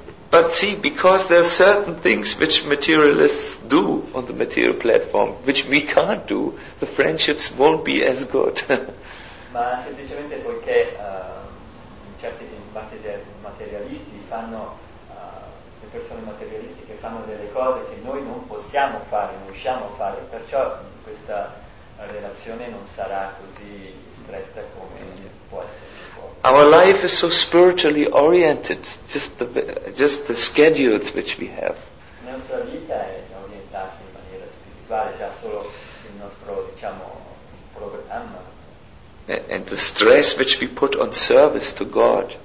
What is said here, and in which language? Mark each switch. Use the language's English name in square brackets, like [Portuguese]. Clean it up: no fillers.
[English] But see, because there are certain things which materialists do on the material platform, which we can't do, the friendships won't be as good. [Italian] Ma semplicemente poiché certi materialisti fanno persone materialisti che fanno delle cose che noi non possiamo fare, non riusciamo a fare, perciò questa relazione non sarà così stretta come può essere. [English] Our life is so spiritually oriented, just the schedules which we have. [Italian] La nostra vita è orientata in maniera spirituale, già solo il nostro, diciamo, programma. [English] And the stress which we put on service to God.